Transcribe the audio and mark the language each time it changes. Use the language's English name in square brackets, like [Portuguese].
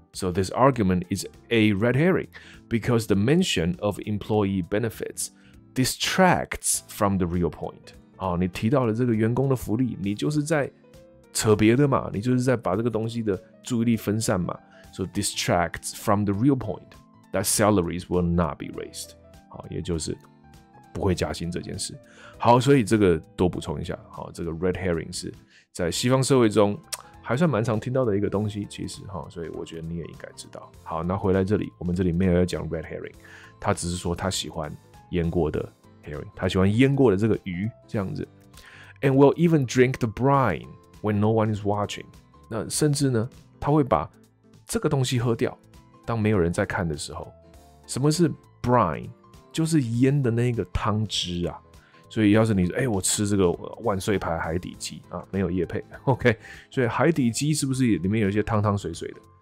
[English] So this argument is a red herring because the mention of employee benefits distracts from the real point。 [Chinese] 哦，你提到了这个员工的福利，你就是在扯别的嘛，你就是在把这个东西的注意力分散嘛。 [English] So distracts from the real point that salaries will not be raised。 [Chinese] 好，也就是不会加薪这件事。好，所以这个多补充一下。好，这个 red herring 是在西方社会中。还算蛮常听到的一个东西，其实哈，所以我觉得你也应该知道。好，那回来这里，我们这里没有要讲 red herring， 他只是说他喜欢腌过的 herring， 他喜欢腌过的这个鱼这样子。 [English] And will even drink the brine when no one is watching。 [Chinese] 那甚至呢，他会把这个东西喝掉，当没有人在看的时候。什么是 brine？ 就是腌的那个汤汁啊。所以要是你说，我吃这个万岁牌海底鸡啊，没有业配 ，OK？所以海底鸡是不是里面有一些汤汤水水的？